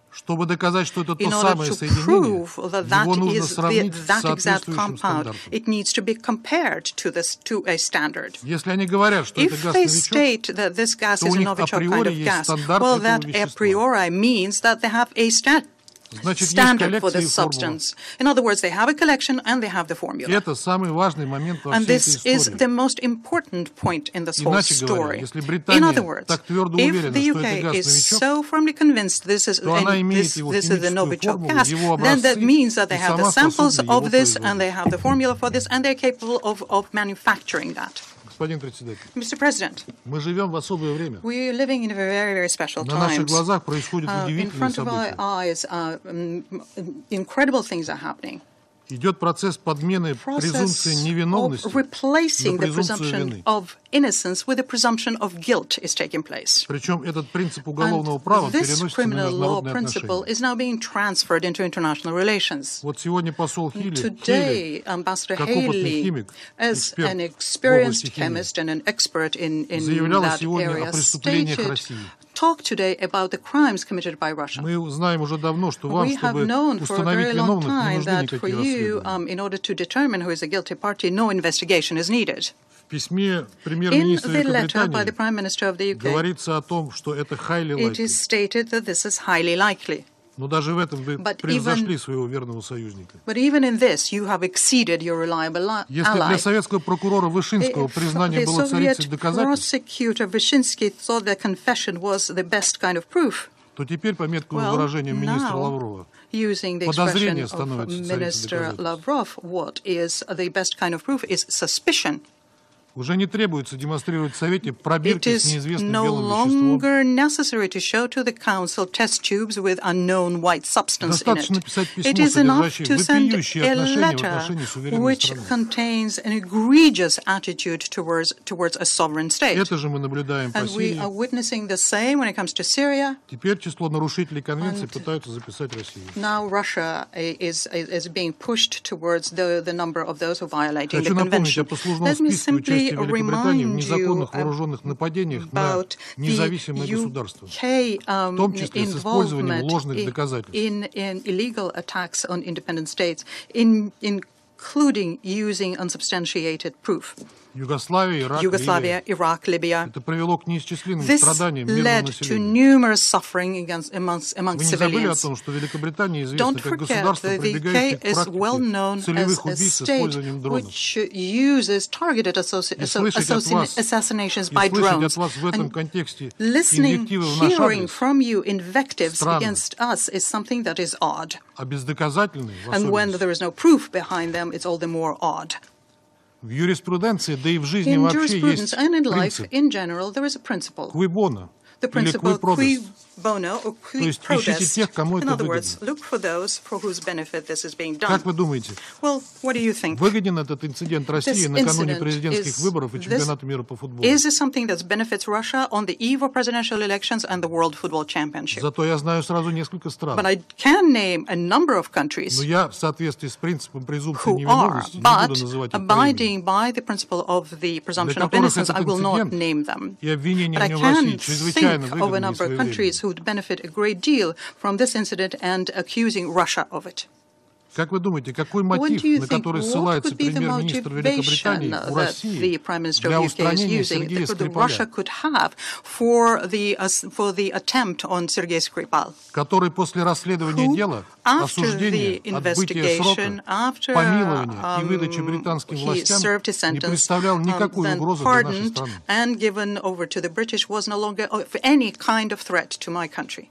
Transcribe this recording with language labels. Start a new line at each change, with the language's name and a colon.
Russian: Чтобы доказать, что это то самое соединение, его нужно сравнить с соответствующим стандартом. Если они говорят, что это газ новичок, то у них априори есть стандарт этого вещества. Значит, есть коллекция и формула.
English: In other words, they have a collection and they have the formula.
Russian: Это самый важный момент во всей этой истории.
English: And this is the most important point in this whole story.
Russian: Если Британия так твердо уверена, что это газ новичок,
English: if the UK is so firmly convinced this is the novichok gas, then that means that they have the samples of this and they have the formula for this and they're capable of manufacturing that.
Russian: Господин председатель,
English: Mr. President,
Russian: мы живем в особое время.
English: We are living in a very, very special times.
Russian: На наших глазах происходят удивительные события.
English: In front of our eyes, incredible things are happening.
Russian: Идет процесс подмены презумпции невиновности на презумпцию вины.
English: Of innocence with a presumption of guilt is taking place.
Russian: Причем этот принцип уголовного права переносится на международные отношения.
English: Into international relations.
Russian: Вот сегодня посол Хилли,
English: today, Ambassador Haley, as an experienced chemist and an expert in
Russian: заявляла сегодня
English: area,
Russian: о преступлениях России.
English: Talk today about the crimes committed by Russia.
Russian: Мы знаем уже давно, что вам, чтобы установить виновных, не нужны никакие расследования.
English: In order to determine who is a guilty party, no investigation is needed.
Russian: В письме премьер-министра Великобритании говорится о том, что это
English: highly likely. It is stated that this is highly likely.
Russian: Но даже в этом вы превзошли своего верного союзника.
English: But even in this, you have exceeded your reliable ally.
Russian: Если для советского прокурора Вышинского признание было царицей доказательств,
English: prosecutor Vyshinsky thought that confession was the best kind of proof.
Russian: То теперь, по меткому выражению министра Лаврова, подозрение становится царицей доказательств.
English: What is the best kind of proof is suspicion.
Russian: Уже не требуется демонстрировать Совете пробирки с неизвестным
English: no
Russian: белым веществом.
English: Necessary to show to the council test tubes with unknown white substance in it.
Russian: Достаточно написать письмо, содержащее вопиющие отношения в отношении суверенной страны.
English: Which contains an egregious attitude towards a sovereign state.
Russian: Это же мы наблюдаем по Сирии.
English: And we are witnessing the same when it comes to Syria.
Russian: Теперь число нарушителей конвенции пытаются записать Россию.
English: Now Russia is being pushed towards the number of those who violate the convention.
Russian: В части Великобритании в незаконных вооруженных нападениях на независимое государство, в том числе с использованием ложных доказательств.
English: In illegal attacks on independent states, including using unsubstantiated proof.
Russian: Югославия, Ирак, Ливия. Это привело к неисчисленным страданиям мирного населения.
English: Amongst
Russian: Вы не забыли о том, что Великобритания известна как государство, прибегающее к практике целевых убийств с использованием дронов.
English: Which uses targeted assassinations by drones.
Russian: И слышать от вас в этом контексте инвективы в наш адрес странно.
English: Against us is something that is odd.
Russian: А бездоказательные, в
English: And when there is no proof behind them, it's all the more odd.
Russian: В юриспруденции, да и в жизни вообще есть принцип qui bono или qui prodest. То есть ищите тех, кому это выгодно. Как вы думаете, выгоден этот инцидент России накануне президентских выборов и чемпионата мира по футболу? Зато я знаю сразу несколько стран. Но я в соответствии с принципом презумпции невиновности не буду называть их по имени.
English: By the principle of the presumption of innocence, I will not name them. But I can think of a number of countries who would benefit a great deal from this incident and accusing Russia of it.
Russian: Как вы думаете, какой мотив, на который ссылается премьер-министр Великобритании в России для устранения Сергея Скрипаля, который после расследования дела, осуждения, отбытия срока, помилования и выдачи британским властям не представлял никакой угрозы для нашей страны.